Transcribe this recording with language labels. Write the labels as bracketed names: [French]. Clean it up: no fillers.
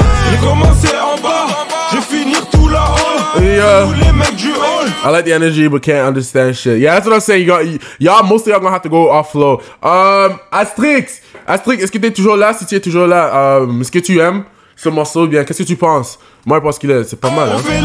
[French] J'ai commencé en bas. Je vais finir tout là-haut. Tous les mecs du hall. [English] I like the energy, but can't understand shit. Yeah, that's what I'm saying. You got, y'all, mostly y'all gonna have to go off flow. [French] Astrix, est-ce que t'es toujours là? Si tu es toujours là, est-ce que tu aimes ce morceau bien? Qu'est-ce que tu penses? Moi, je pense qu'il est, c'est pas mal. Hein?